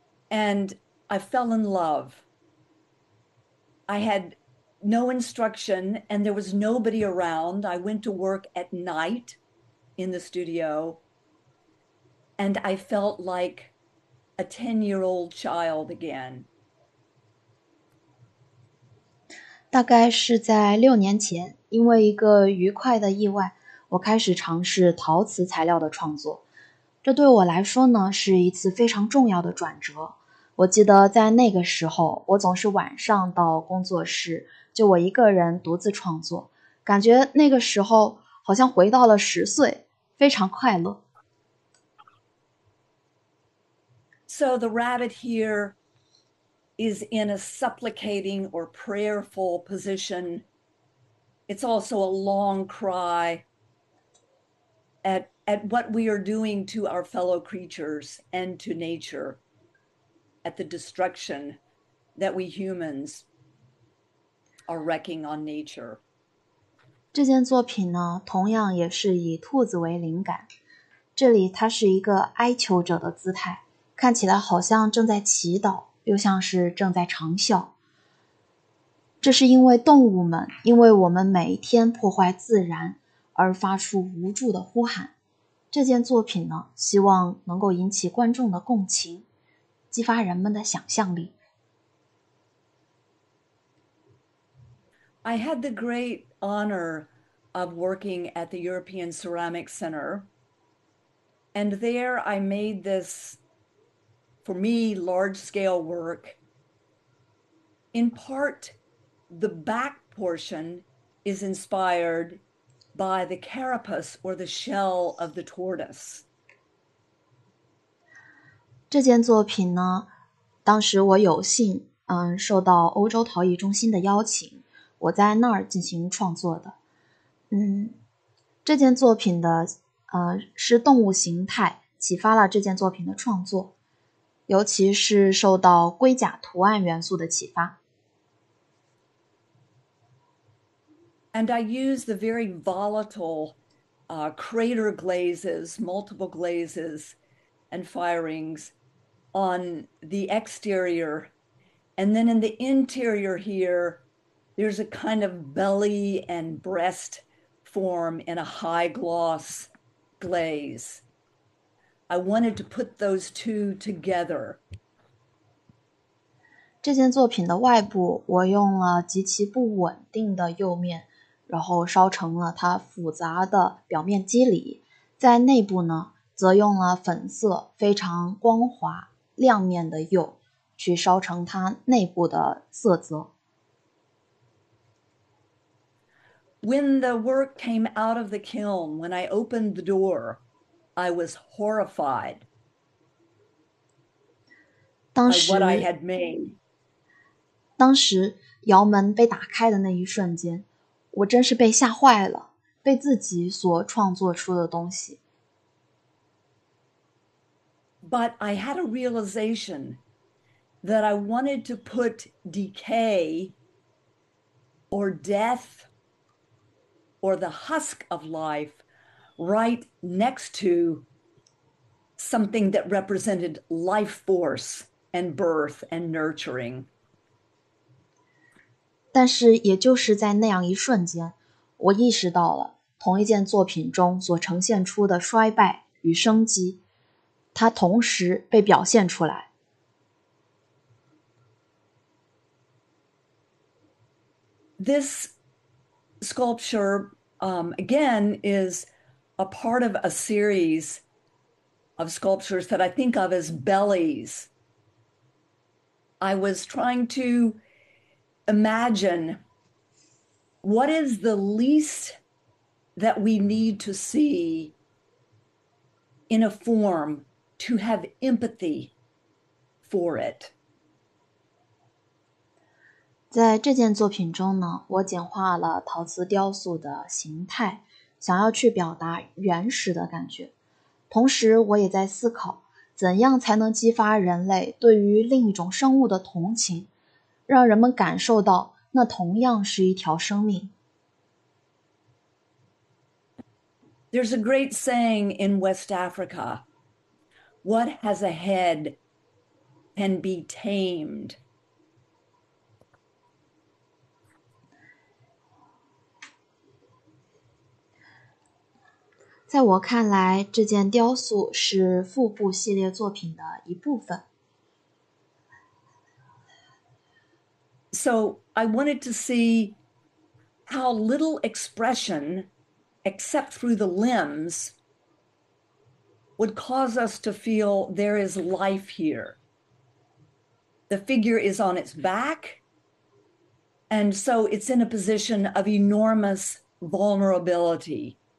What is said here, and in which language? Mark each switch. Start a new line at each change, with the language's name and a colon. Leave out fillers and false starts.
English: And I fell in love. I had no instruction and there was nobody around. I went to work at night in the studio and I felt like a 10-year-old child again.
Chinese: 大概是在6年前，因为一个愉快的意外，我开始尝试陶瓷材料的创作。这对我来说呢，是一次非常重要的转折。我记得在那个时候，我总是晚上到工作室，就我一个人独自创作，感觉那个时候好像回到了10岁，非常快乐。
English: So the rabbit here is in a supplicating or prayerful position. It's also a long cry at what we are doing to our fellow creatures and to nature, at the destruction that we humans are wrecking on nature.
Chinese: 这件作品呢，同样也是以兔子为灵感。这里它是一个哀求者的姿态，看起来好像正在祈祷，又像是正在长啸。这是因为动物们，因为我们每一天破坏自然而发出无助的呼喊。这件作品呢，希望能够引起观众的共情，激发人们的想象力。
English: I had the great honor of working at the European Ceramic Center, and there I made this, for me, large-scale work. In part, the back portion is inspired by the carapace or the shell of the tortoise.
Chinese: 这件作品呢，当时我有幸，受到欧洲陶艺中心的邀请，我在那儿进行创作的。这件作品的，是动物形态，启发了这件作品的创作。尤其是受到龟甲图案元素的启发。
English: And I use the very volatile crater glazes, multiple glazes and firings on the exterior. And then in the interior here, there's a kind of belly and breast form in a high gloss glaze. I wanted to put those two together.
Chinese: 这件作品的外部，我用了极其不稳定的釉面，然后烧成了它复杂的表面肌理。在内部呢，则用了粉色非常光滑亮面的釉，去烧成它内部的色泽。
English: When the work came out of the kiln, when I opened the door, I was horrified by what I had made.
Chinese: 当时窑门被打开的那一瞬间，我真是被吓坏了，被自己所创作出的东西。
English: But I had a realization that I wanted to put decay or death or the husk of life right next to something that represented life force and birth and nurturing.
Chinese: 但是，也就是在那样一瞬间，我意识到了同一件作品中所呈现出的衰败与生机，它同时被表现出来。
English: This sculpture, again, is a part of a series of sculptures that I think of as bellies. I was trying to imagine what is the least that we need to see in a form to have empathy for it.
Chinese: 在这件作品中呢，我简化了陶瓷雕塑的形态，想要去表达原始的感觉。同时，我也在思考，怎样才能激发人类对于另一种生物的同情，让人们感受到那同样是一条生命。
English: There's a great saying in West Africa, what has a head can be tamed.
Chinese: 在我看来，这件雕塑是腹部系列作品的一部分。
English: So I wanted to see how little expression, except through the limbs, would cause us to feel there is life here. The figure is on its back, and so it's in a position of enormous vulnerability.